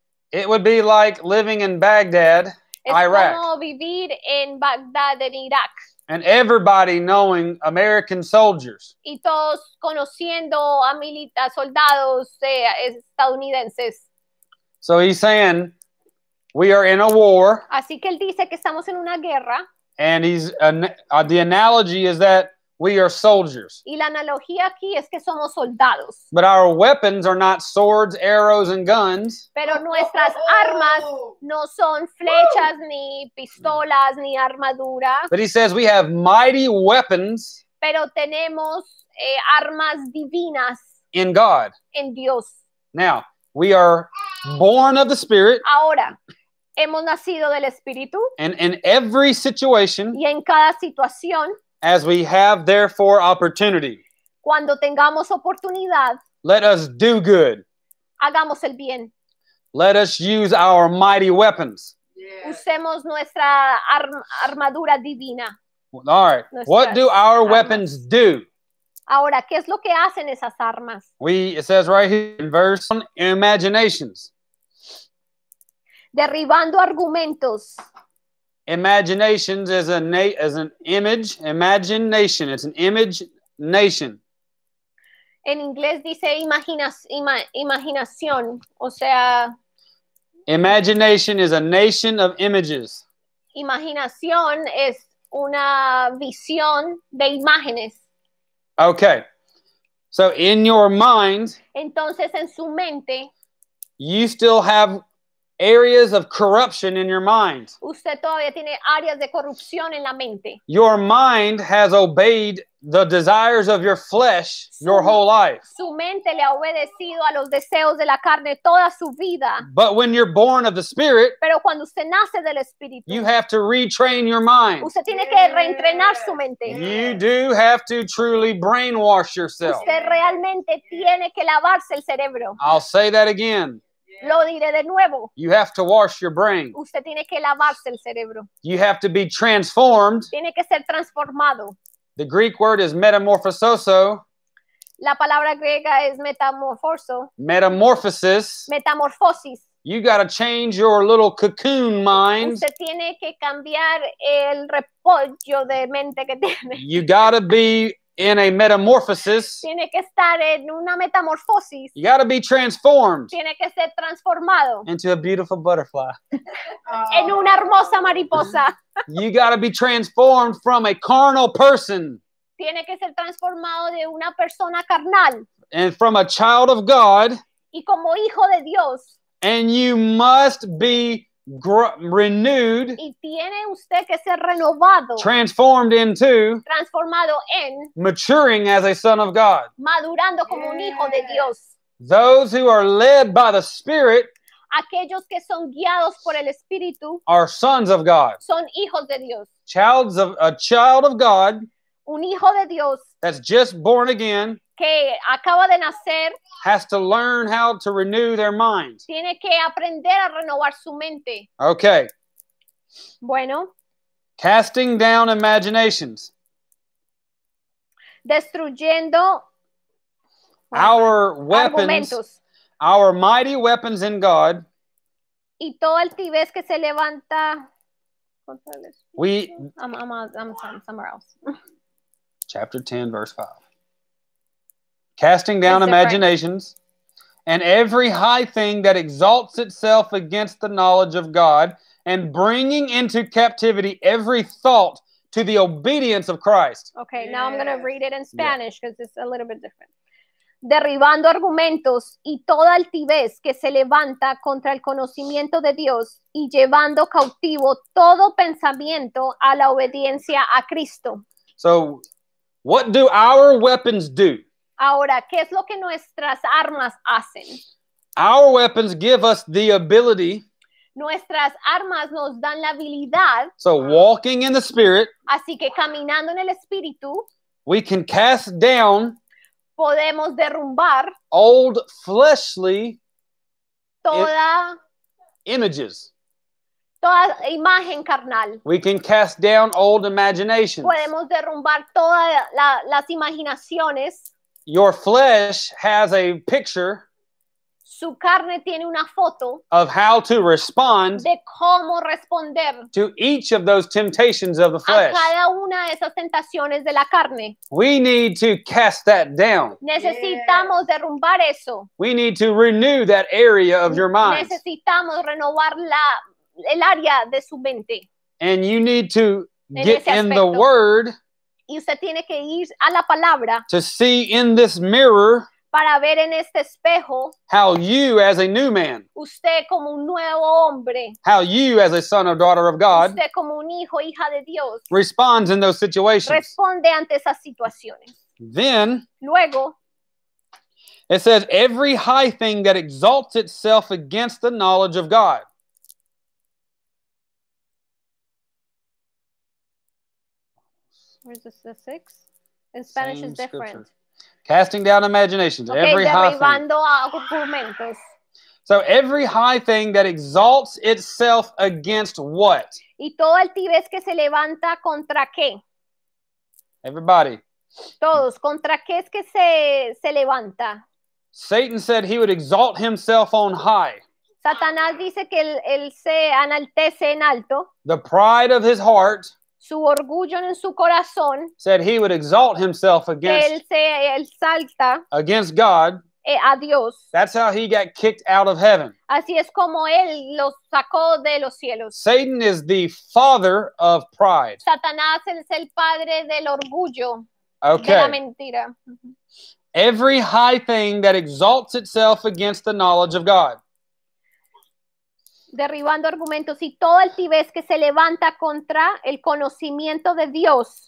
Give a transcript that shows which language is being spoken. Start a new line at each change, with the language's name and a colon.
English: It would be like living in Baghdad, Iraq.
Spanish: Es como vivir en Bagdad, en Irak.
English: And everybody knowing American soldiers.
Spanish: Y todos conociendo a soldados estadounidenses.
English: So he's saying, we are in a war.
Spanish: Así que él dice que estamos en una guerra.
English: And he's the analogy is that we are soldiers.
Spanish: Y la analogía aquí es que somos soldados.
English: But our weapons are not swords, arrows, and guns.
Spanish: Pero nuestras armas no son flechas, ni pistolas, ni armadura.
English: But he says we have mighty weapons.
Spanish: Pero tenemos armas divinas.
English: In God.
Spanish: En Dios.
English: Now, we are born of the Spirit.
Spanish: Ahora. Hemos nacido del Espíritu.
English: And in every situation.
Spanish: Y en cada situación.
English: As we have, therefore, opportunity.
Spanish: Cuando tengamos oportunidad.
English: Let us do good.
Spanish: Hagamos el bien.
English: Let us use our mighty weapons. Yeah.
Spanish: Usemos nuestra armadura divina.
English: All right.
Spanish: Nuestras
English: what do our
Spanish: armas.
English: Weapons do?
Spanish: Ahora, ¿qué es lo que hacen esas armas?
English: It says right here in verse 1, imaginations.
Spanish: Derribando argumentos.
English: Imaginations is an image, imagination. It's an image nation.
Spanish: En inglés dice imaginación, o sea.
English: Imagination is a nation of images.
Spanish: Imaginación es una visión de imágenes.
English: Okay. So in your mind,
Spanish: entonces en su mente,
English: you still have areas of corruption in your mind.
Spanish: Usted todavía tiene áreas de corrupción en la mente.
English: Your mind has obeyed the desires of your flesh your whole life.
Spanish: Su mente le ha obedecido a los deseos de la carne toda su vida.
English: But when you're born of the Spirit,
Spanish: pero cuando usted nace del Espíritu,
English: you have to retrain your mind.
Spanish: Usted tiene que reentrenar su mente.
English: You do have to truly brainwash yourself.
Spanish: Usted realmente tiene que lavarse el cerebro.
English: I'll say that again.
Spanish: Lo diré de nuevo.
English: You have to wash your brain.
Spanish: Usted tiene que lavarse el cerebro.
English: You have to be transformed.
Spanish: Tiene que ser transformado.
English: The Greek word is metamorphososo.
Spanish: La palabra griega es metamorfoso.
English: Metamorphosis.
Spanish: Metamorfosis.
English: You got to change your little cocoon mind.
Spanish: Usted tiene que cambiar el repollo de mente que tiene.
English: You got to be in a metamorphosis.
Spanish: Tiene que estar en una metamorfosis.
English: You got to be transformed.
Spanish: Tiene que ser transformado.
English: Into a beautiful butterfly.
Spanish: En una hermosa mariposa.
English: You got to be transformed from a carnal person.
Spanish: Tiene que ser transformado de una persona carnal.
English: And from a child of God.
Spanish: Y como hijo de Dios.
English: And you must be renewed.
Spanish: Y tiene usted que ser renovado.
English: Transformed into.
Spanish: Transformado en.
English: Maturing as a son of God.
Spanish: Madurando como un hijo de Dios.
English: Those who are led by the Spirit.
Spanish: Aquellos que son guiados por el Espíritu.
English: Are sons of God.
Spanish: Son hijos de Dios.
English: Childs of a child of God.
Spanish: Un hijo de Dios.
English: That's just born again.
Spanish: Que acaba de nacer.
English: Has to learn how to renew their mind.
Spanish: Tiene que aprender a renovar su mente.
English: Okay.
Spanish: Bueno.
English: Casting down imaginations.
Spanish: Destruyendo.
English: Our weapons.
Spanish: Argumentos.
English: Our mighty weapons in God.
Spanish: Y todo altivez que se levanta.
English: We. I'm somewhere else. Chapter 10, verse 5. Casting down imaginations and every high thing that exalts itself against the knowledge of God and bringing into captivity every thought to the obedience of Christ. Okay, yes. Now I'm going to read it in Spanish because it's a little bit different.
Spanish: Derribando argumentos y toda altivez que se levanta contra el conocimiento de Dios y llevando cautivo todo pensamiento a la obediencia a Cristo.
English: So, what do our weapons do?
Spanish: Ahora, ¿qué es lo que nuestras armas hacen?
English: Our weapons give us the ability.
Spanish: Nuestras armas nos dan la habilidad.
English: So walking in the Spirit.
Spanish: Así que caminando en el Espíritu.
English: We can cast down.
Spanish: Podemos derrumbar.
English: Old fleshly.
Spanish: Toda.
English: Images.
Spanish: Toda imagen carnal.
English: We can cast down old imaginations.
Spanish: Podemos derrumbar todas las imaginaciones.
English: Your flesh has a picture.
Spanish: Su carne tiene una foto
English: of how to respond.
Spanish: De cómo responder
English: to each of those temptations of the flesh.
Spanish: A cada una de esas tentaciones de la carne.
English: We need to cast that down.
Spanish: Necesitamos derrumbar eso.
English: We need to renew that area of your mind.
Spanish: Necesitamos renovar el área de su mente.
English: And you need to
Spanish: en
English: get in the Word.
Spanish: Y usted tiene que ir a la palabra.
English: To see in this mirror.
Spanish: Para ver en este espejo.
English: How you as a new man.
Spanish: Usted como un nuevo hombre.
English: How you as a son or daughter of God.
Spanish: Usted como un hijo, hija de Dios.
English: Responds in those situations.
Spanish: Responde ante esas situaciones.
English: Then.
Spanish: Luego.
English: It says every high thing that exalts itself against the knowledge of God. Where's the six? In Spanish, it's different. Scripture. Casting down imaginations. Okay, every high thing.
Spanish: Argumentos.
English: So every high thing that exalts itself against what?
Spanish: Y todo altivez que se levanta contra qué?
English: Everybody.
Spanish: Todos. ¿Contra qué es que se levanta?
English: Satan said he would exalt himself on high.
Spanish: Satanás dice que él se enaltece en alto.
English: The pride of his heart.
Spanish: Su orgullo en su corazón.
English: Said he would exalt himself against.
Spanish: Él se exalta.
English: Against God.
Spanish: a Dios.
English: That's how he got kicked out of heaven.
Spanish: Así es como él lo sacó de los cielos.
English: Satan is the father of pride.
Spanish: Satanás es el padre del orgullo. Okay. De la mentira.
English: Every high thing that exalts itself against the knowledge of God.
Spanish: Derribando argumentos y toda altivez que se levanta contra el conocimiento de Dios.